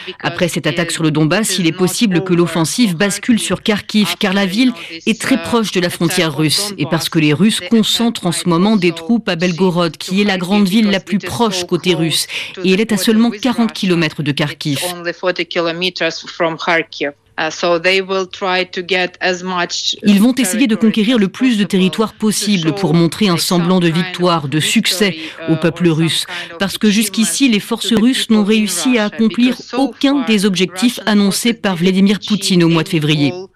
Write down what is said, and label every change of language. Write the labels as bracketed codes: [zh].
[fr] Après cette attaque sur le Donbass, il est possible que l'offensive bascule sur Kharkiv, car la ville est très proche de la frontière russe et parce que les Russes concentrent en ce moment des troupes à Belgorod, qui est la grande ville la plus proche côté russe. Et elle est à seulement 40 km de Kharkiv. [en] Only 40 kilometers from Kharkiv. So they will try to get as much. [fr] Ils vont essayer de conquérir le plus de territoire possible pour montrer un semblant de victoire, de succès au peuple russe. Parce que jusqu'ici, les forces russes n'ont réussi à accomplir aucun des objectifs annoncés par Vladimir Poutine au mois de février.